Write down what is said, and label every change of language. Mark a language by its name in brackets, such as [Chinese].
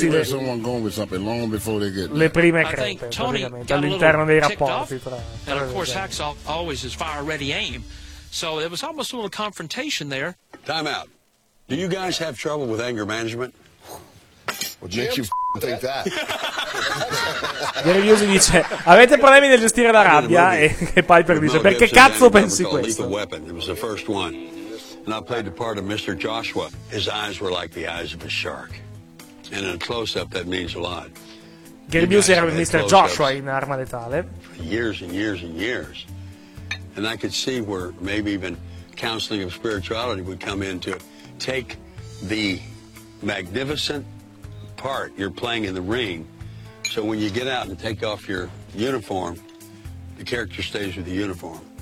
[Italian] Le prime crepe all'interno dei rapporti tra [English] and of course Hacksaw always is fire ready aim, so it was almost a little confrontation there. Time out. Do you guys have trouble with anger management? What makes you think that? [Italian] Gary dice avete problemi nel gestire la rabbia e Piper dice perché cazzo pensi questo? [English] It was the first one and I played the part of Mr. Joshua. His eyes were like the eyes of a shark. And in a close-up, that means a lot. [Italian] Gary Busey era Mr. Joshua in Arma Letale. [English] Years and years and years. And I could see where maybe even counseling of spirituality would come in to take the magnificent part you're playing in the ring, so when you get out and take off your uniform, the character stays with the uniform.